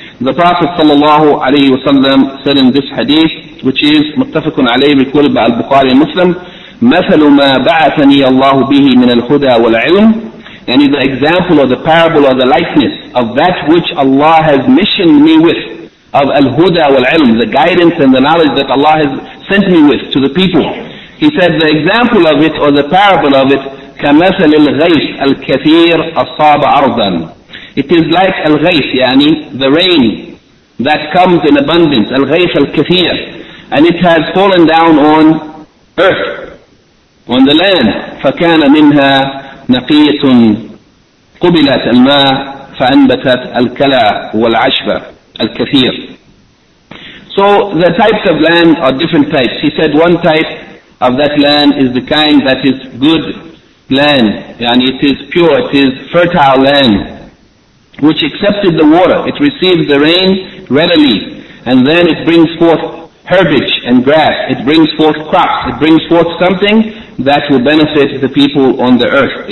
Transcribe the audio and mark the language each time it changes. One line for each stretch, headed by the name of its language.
English: The Prophet sallallahu alayhi wa sallam said in this hadith, which is muttafaqun alayhi, recorded by al-Bukhari and Muslim,
Arabic: مَثَلُ مَا بَعَثَنِي اللَّهُ بِهِ مِنَ الْهُدَى وَالْعِلْمِ
English: And the example or the parable or the likeness of that which Allah has missioned me with, of al-huda wal-ilm, the guidance and the knowledge that Allah has sent me with to the people. He said the example of it or the parable of it,
Arabic: كمثل الغيث الكثير أصاب أرضا.
English: It is like al-ghayth, yani the rain that comes in abundance, al-ghayth al-kathir, and it has fallen down on earth, on the land.
Arabic: فكان منها نقيط قبلت الماء فأنبتت الكلى والعشب الكثير.
English: So the types of land are different types. He said one type of that land is the kind that is good land, and it is pure, it is fertile land, which accepted the water, it received the rain readily, and then it brings forth herbage and grass, it brings forth crops, it brings forth something that will benefit the people on the earth.